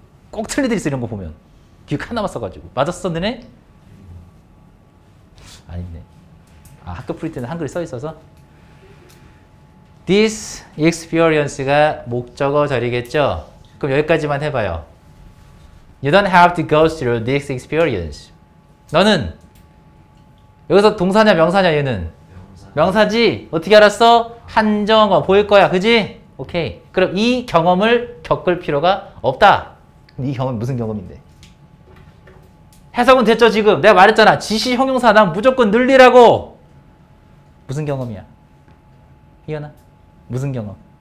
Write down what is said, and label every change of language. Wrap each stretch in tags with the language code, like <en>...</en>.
<ko>꼭 틀리들 있어, 이런 거 보면. 기억 하나만 써가지고. 맞았어, 너네? 아닌데. 아, 학교 풀이 때는 한글이 써있어서?</ko> <en>This experience</en> <ko>가 목적어 자리겠죠? 그럼 여기까지만 해봐요.</ko> <en>You don't have to go through this experience.</en> <ko>너는 여기서 동사냐 명사냐? 얘는 명사. 명사지? 어떻게 알았어? 한정어 보일 거야. 그지? 오케이. 그럼 이 경험을 겪을 필요가 없다. 이 경험이 무슨 경험인데? 해석은 됐죠 지금? 내가 말했잖아. 지시 형용사 난 무조건 늘리라고. 무슨 경험이야? 희연아? 무슨 경험?</ko>